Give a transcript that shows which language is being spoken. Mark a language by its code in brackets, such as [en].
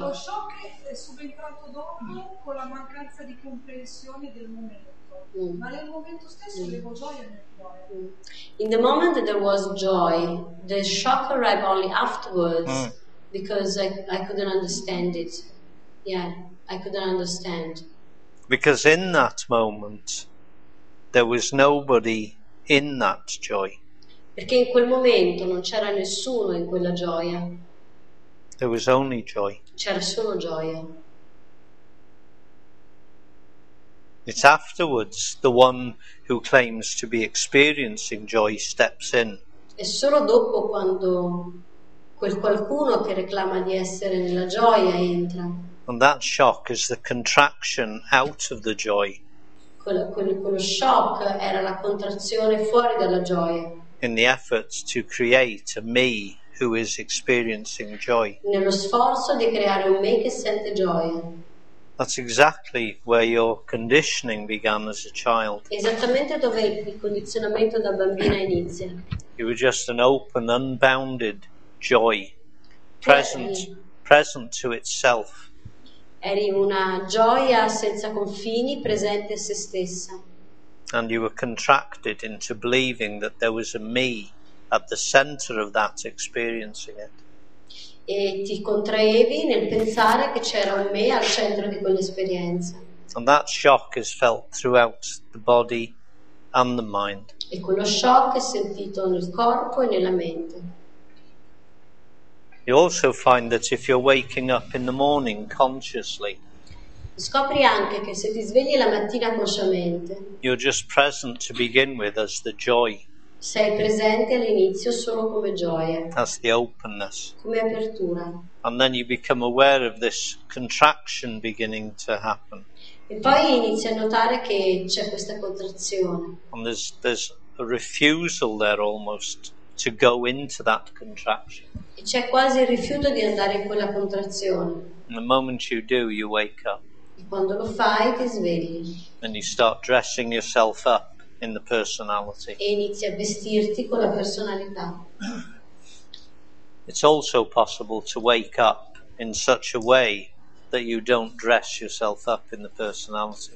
[it] Lo shock è subentrato dopo con la mancanza di comprensione del momento. Ma nel momento stesso avevo gioia nel cuore. [en] In the moment that there was joy, the shock arrived only afterwards because I couldn't understand it. Yeah, I couldn't understand. Because in that moment there was nobody in that joy. [it] Perché in quel momento non c'era nessuno in quella gioia. [en] There was only joy. [it] C'era solo gioia. [en] It's afterwards the one who claims to be experiencing joy steps in. [it] È solo dopo quando quel qualcuno che reclama di essere nella gioia entra. [en] And that shock is the contraction out of the joy. [it] Quello shock era la contrazione fuori dalla gioia. [en] In the efforts to create a me who is experiencing joy. [it] Nello sforzo di creare un me che sente gioia. [en] That's exactly where your conditioning began as a child. [it] Esattamente dove il condizionamento da bambina inizia. [en] You were just an open, unbounded joy, present to itself. [it] Eri una gioia senza confini, presente a se stessa. [en] And you were contracted into believing that there was a me at the center of that, experiencing it. [it] E ti contraevi nel pensare che c'era un me al centro di quell'esperienza. [en] And that shock is felt throughout the body and the mind. [it] E quello shock è sentito nel corpo e nella mente. [en] You also find that if you're waking up in the morning consciously, [it] scopri anche che se ti svegli la mattina consciamente, [en] you're just present to begin with as the joy. [it] Sei presente all'inizio solo come gioia. [en] That's the openness. [it] Come apertura. [en] And then you become aware of this contraction beginning to happen. [it] E poi inizi a notare che c'è questa contrazione. [en] And there's a refusal there almost to go into that contraction. [it] E c'è quasi il rifiuto di andare in quella contrazione. [en] And the moment you do, you wake up. [it] E quando lo fai, ti svegli. [en] And you start dressing yourself up. In the personality. [it] E inizi a vestirti con la personalità. [en] It's also possible to wake up in such a way that you don't dress yourself up in the personality.